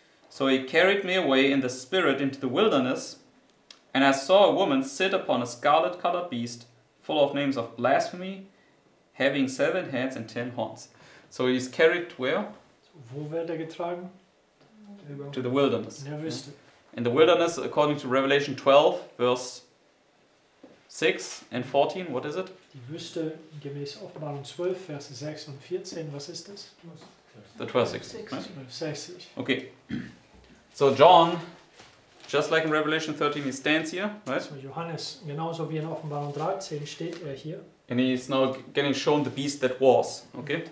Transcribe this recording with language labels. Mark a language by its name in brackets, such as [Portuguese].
[English] So he carried me away in the spirit into the wilderness, and I saw a woman sit upon a scarlet-colored beast, full of names of blasphemy, having seven heads and ten horns. So he's carried where? [German] Wo wird er getragen? [English] To the wilderness. [German] In der Wüste. [English] In the wilderness, according to Revelation 12, verse 6 and 14, what is it? [German] Die Wüste, gemäß Offenbarung 12, Vers 6 und 14, was ist das? [English] The 1260. Right? Okay. So John, just like in Revelation 13, he stands here, right? [German] So Johannes, genauso wie in Offenbarung 13, steht er hier. [English] And he's now getting shown the beast that was, okay?